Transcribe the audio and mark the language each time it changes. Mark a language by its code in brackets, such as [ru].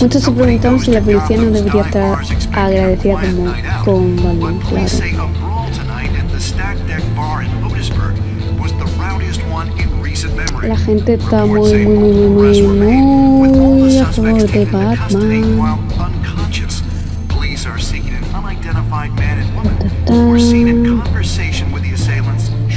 [es] muchos se preguntan si la policía no debería estar agradecida como con Batman. [en] Police say a brawl tonight at the Stack Deck Bar in Otisburg was the rowdiest one in recent memory. [es] La gente está muy a favor de Batman. [en] Police are seeking an unidentified man and woman who were seen in conversation with the assailants.